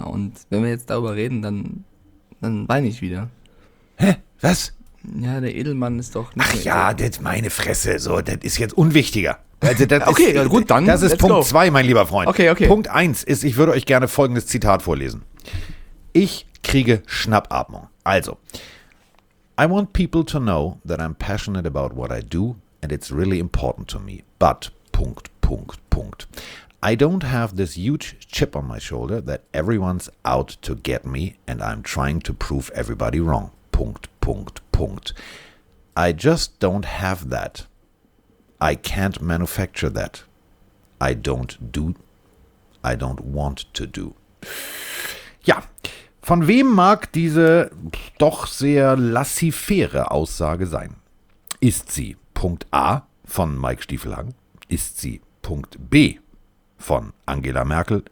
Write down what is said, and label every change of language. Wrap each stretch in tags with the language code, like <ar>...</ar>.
<de>Und wenn wir jetzt darüber reden, dann weine ich wieder. Hä? Was? Ja, der Edelmann ist doch nicht. Ach ja, das, meine Fresse, so, das ist jetzt unwichtiger. Also das okay, ist, gut, dann. Das ist Punkt 2, mein lieber Freund. Okay. Punkt 1 ist, ich würde euch gerne folgendes Zitat vorlesen. Ich kriege Schnappatmung.</de> <en>Also, I want people to know that I'm passionate about what I do and it's really important to me. But,</en> <de>Punkt, Punkt, Punkt.</de> <en>I don't have this huge chip on my shoulder that everyone's out to get me and I'm trying to prove everybody wrong.</en> <de>Punkt, Punkt, Punkt.</de> <en>I just don't have that. I can't manufacture that. I don't want to do.</en> <de>Ja, von wem mag diese doch sehr lassifäre Aussage sein? Ist sie Punkt A von Mike Stiefelhagen? Ist sie Punkt B von Angela Merkel?</de>